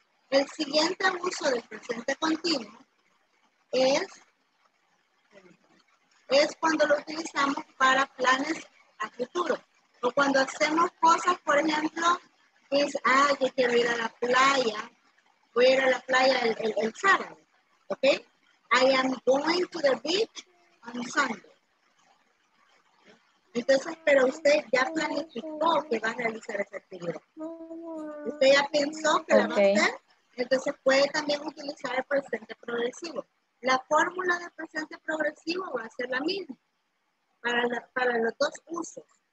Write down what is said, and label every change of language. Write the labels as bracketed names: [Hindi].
[Spanish] El siguiente uso del presente continuo es cuando lo utilizamos para planes a futuro. O cuando hacemos cosas, por ejemplo, es, yo quiero ir a la playa, voy a ir a la playa el sábado, ¿ok? [English] I am going to the beach on Sunday. [Spanish] Entonces, pero usted ya planificó que va a realizar esa actividad. Usted ya pensó que la va a hacer, entonces puede también utilizar el presente progresivo. La fórmula del presente progresivo va a ser la misma para los dos usos.